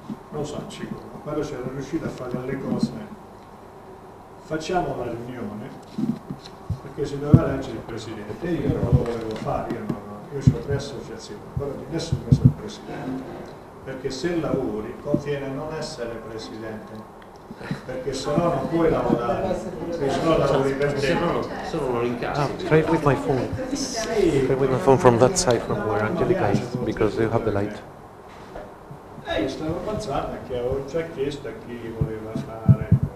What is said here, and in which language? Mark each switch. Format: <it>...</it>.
<it>Non so, sicuro, però c'ero riuscito a fare le cose. Facciamo la riunione, perché si doveva leggere il presidente, io non lo volevo fare, io ho 3 associazioni, però di nessuno sono presidente. Perché se lavori conviene non essere presidente, perché sennò non puoi lavorare, perché sennò lavori per te. Se no,</it> <en>try with my phone.</en> <it>Sì.</it> <en>Try with my phone from that side from where Angelica is, because you have the light.</en> <it>Io stavo pensando che avevo già chiesto a chi voleva fare.</it>